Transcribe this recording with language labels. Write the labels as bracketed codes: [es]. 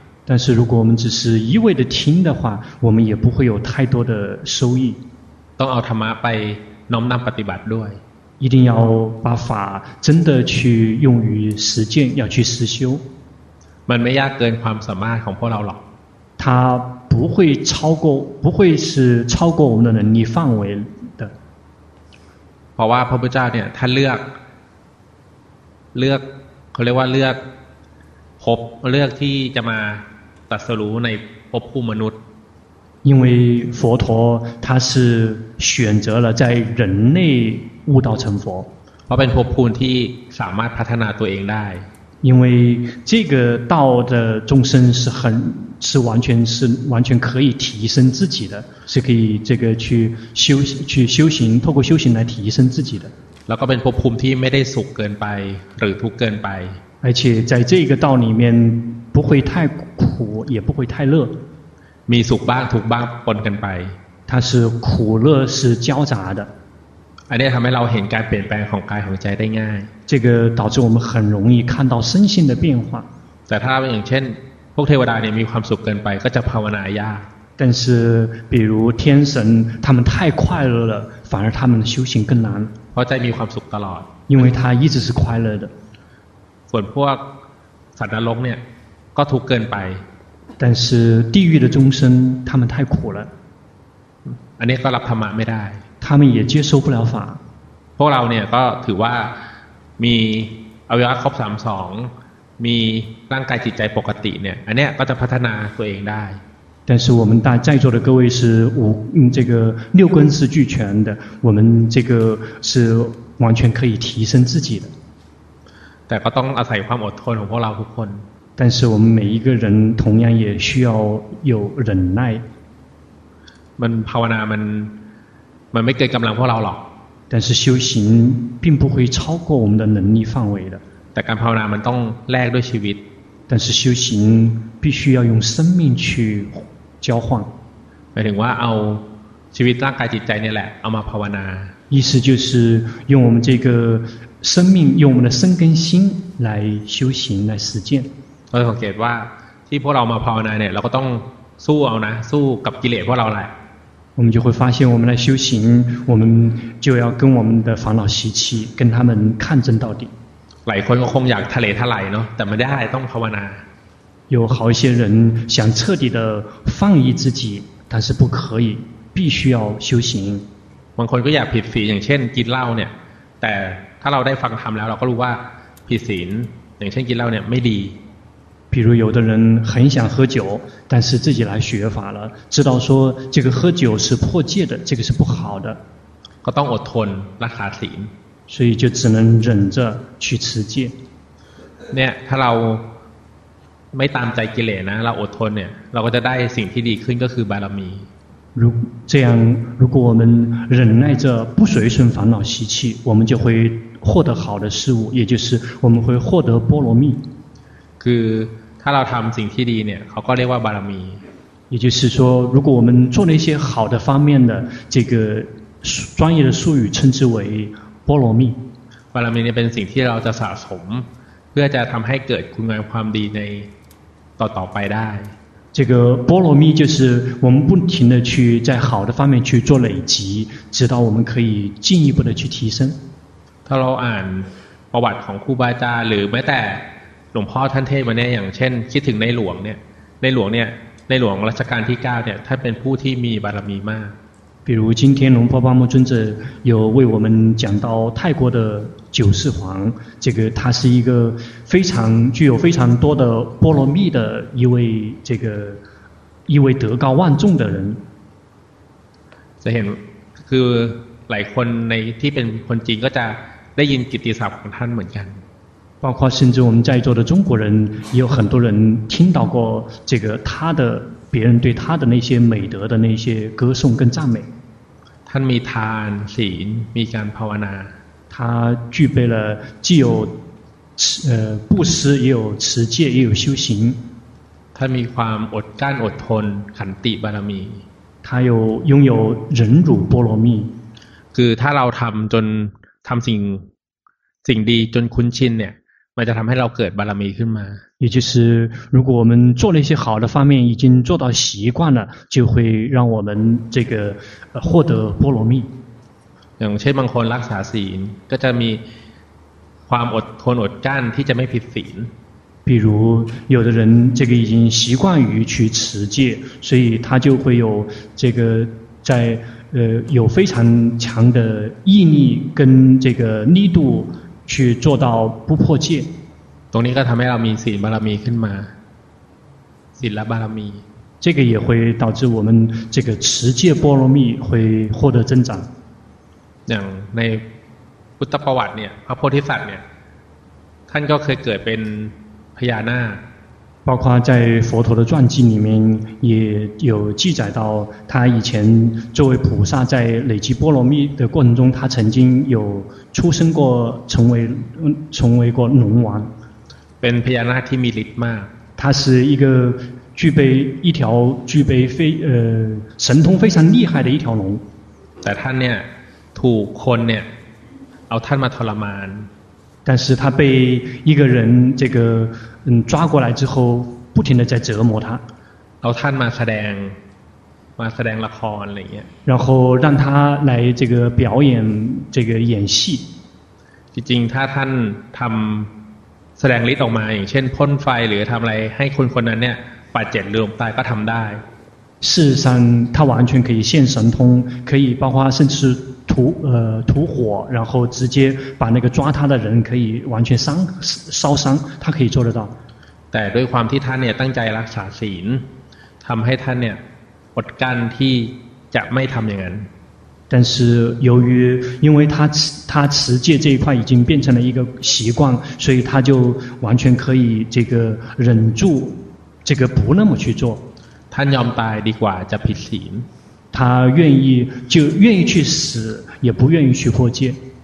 [zh] 但是如果我们只是一味的听的话我们也不会有太多的收益 [th] ต้องเอาธรรมะไปน้อมนำปฏิบัติด้วย [zh] 一定要把法真的去用于实践要去实修 [th] มันไม่ยากเกินความสามารถของพวกเราหรอก [zh] 它不会是超过我们的能力范围的 [th] เพราะว่าพระพุทธเจ้าเนี่ยท่านเลือกเขาเรียกว่าเลือกพบเลือกที่จะมาตรัสรู้ในภพภูมิมนุษย์ [zh] 因为佛陀他是选择了在人类悟道成佛 [th] เพราะเป็นภพภูมิที่สามารถพัฒนาตัวเองได้ [zh] 因为这个道的众生是完全可以提升自己的是可以这个去修行透过修行来提升自己的 [th] แล้วก็เป็นภพภูมิที่ไม่ได้สุขเกินไปหรือทุกข์เกินไป [zh] 而且在这个道里面不会太苦也不会太乐 [th] มีสุขบ้างทุกข์บ้างปนกันไป [zh] 它是苦乐是交杂的 [th] อันนี้ทำให้เราเห็นการเปลี่ยนแปลงของกายของใจได้ง่าย [zh] 这个导致我们很容易看到身心的变化 [th] แต่ถ้าอย่างเช่นพวกเทวดาเนี่ยมีความสุขเกินไปก็จะภาวนายาก [zh] 但是比如天神他们太快乐了反而他们的修行更难 [th] เพราะใจมีความสุขตลอด [zh] 因为他一直是快乐的 [th] ส่วนพวกสัตว์นรกเนี่ยก็ทุกข์เกินไป [zh] 但是地狱的众生他们太苦了อั [th] นนี้ก็รับธรรมะไม่ได้ [zh] 他们也接受不了法 [th] พวกเราเนี่ยก็ถือว่ามีอวัยวะครบ32มีร่างกายจิตใจปกติเนี่ยอันเนี้ยก็จะพัฒนาตัวเองได้ แต่ [zh] 是我们大在座的各位是五这个六根是俱全的我们这个是完全可以提升自己的 [th] แต่ก็ต้องอาศัยความอดทนของพวกเราทุกคน [zh] 但是我们每一个人同样也需要有忍耐 [th] มันภาวนามันไม่เกินกำลังพวกเราหรอก [zh] 但是修行并不会超过我们的能力范围的 [th] แต่การภาวนามันต้องแลกด้วยชีวิต [zh] 但是修行必须要用生命去交换 [th] หมายถึงว่าเอาชีวิตร่างกายจิตใจนี่แหละเอามาภาวนา [zh] 意思就是用我们这个生命用我们的身跟心来修行来实践 [th] เราสังเกตว่าที่พวกเรามาภาวนาเนี่ยเราก็ต้องสู้เอานะสู้กับกิเลสพวกเราแหละ [zh] 我们就会发现我们来修行我们就要跟我们的烦恼习气跟他们抗争到底 [th] หลายคนก็คงอยากทะเลทลายเนาะแต่ไม่ได้ต้องภาวนา [zh] 有好一些人想彻底的放逸自己但是不可以必须要修行 [th] บางคนก็อยากผิดศีลอย่างเช่นกินเหล้าเนี่ยแต่ถ้าเราได้ฟังธรรมแล้วเราก็รู้ว่าผิดศีลอย่างเช่นกินเหล้าเนี่ยไม่ดี [zh] 比如有的人很想喝酒但是自己来学法了知道说这个喝酒是破戒的这个是不好的 [th] ก็ต้องอดทนรักษาศีล [zh] 所以就只能忍着去持戒 [th] เนี่ยถ้าเราไม่ตามใจกิเลสนะเราอดทนเนี่ยเราก็จะได้สิ่งที่ดีขึ้นก็คือบารมี [zh] 这样如果我们忍耐着不随顺烦恼习气我们就会获得好的事物也就是我们会获得波罗蜜 [th] คือถ้าเราทำสิ่งที่ดีเนี่ยเขาก็เรียกว่าบารมี [zh] 也就是说如果我们做了一些好的方面的这个专业的术语称之为波罗蜜 [th] บารมีเนี่ยเป็นสิ่งที่เราจะสะสมเพื่อจะทำให้เกิดคุณงามความดีในต่อไปได้ [zh] 这个波罗蜜就是我们不停的去在好的方面去做累积直到我们可以进一步的去提升 [th] ถ้าเราอ่านประวัติของครูบาอาจารย์หรือแม้แต่หลวงพ่อท่านเทศมาเนี่ยอย่างเช่นคิดถึงในหลวงเนี่ยในหลวงเนี่ยในหลวงรัชกาลที่9เนี่ยท่านเป็นผู้ที่มีบารมีมาก [zh] 比如今天龙婆巴木尊者有为我们讲到泰国的九世皇这个他是一个非常具有非常多的波罗蜜的一位这个一位德高望重的人 [th] จะเห็นคือหลายคนในที่เป็นคนจีนก็จะได้ยินกิตติศัพท์ของท่านเหมือนกัน [zh] 包括甚至我们在座的中国人也有很多人听到过这个他的别人对他的那些美德的那些歌颂跟赞美他 [th] มีทานศีลมีการภาวนา [zh] 他具备了既有布施也有持戒也有修行他 [th] มีความอดกลั้นอดทนขันติบารมี [zh] 他有拥有忍辱波罗蜜 [th] คือถ้าเราทำจนทำสิ่งดีจนคุ้นชินเนี่ยมันจะทำให้เราเกิดบารมีขึ้นมา [zh] 也就是如果我们做了一些好的方面已经做到习惯了就会让我们这个获得波罗蜜 [th] อย่างเช่นบางคนรักษาศีลก็จะมีความอดทนอดกลั้นที่จะไม่ผิดศีล [zh] 比如有的人这个已经习惯于去持戒所以他就会有这个在有非常强的毅力跟这个力度去做到不破戒 [th] ตรงนี้ก็ทำให้เรามีศีลบารมีขึ้นมาศีลและบารมี [zh] 这个也会导致我们这个持戒波罗蜜会获得增长 [th] อย่างในพุทธประวัติเนี่ยพระโพธิสัตว์เนี่ยท่านก็เคยเกิดเป็นพญานาค [zh] 包括在佛陀的传记里面也有记载到他以前作为菩萨在累积波罗蜜的过程中他曾经有出生过成为过龙王 [th] เป็นพญานาคที่มีฤทธิ์มาก [zh] 他是一个具备一条具备非神通非常厉害的一条龙。 [th] แต่ท่านเนี่ยถูกคนเนี่ยเอาท่านมาทรมาน [zh] 但是他被一个人这个抓过来之后不停的在折磨他 [th] เอาท่านมาแสดงมาแสดงละครอะไรอย่างเงี้ย [zh] 然后让他来这个表演这个演戏 [th] จริงๆถ้าท่านทำแสดงฤทธิ์ออกมาอย่างเช่นพ่นไฟหรือทำอะไรให้คนคนนั้นเนี่ยบาดเจ็บหรือตายก็ทำได้ [zh] 事实上他完全可以现神通可以包括甚至吐火然后直接把那个抓他的人可以完全烧伤他可以做得到 [th] แต่ด้วยความที่ท่านเนี่ยตั้งใจรักษาศีลทำให้ท่านเนี่ยอดกั้นที่จะไม่ทำอย่างนั้น [zh] 但是由于因为他持戒这一块已经变成了一个习惯所以他就完全可以这个忍住这个不那么去做 [th] ท่านยอมตายดีกว่าจะผิดศีล [zh] 他愿意就愿意去死也不愿意去破戒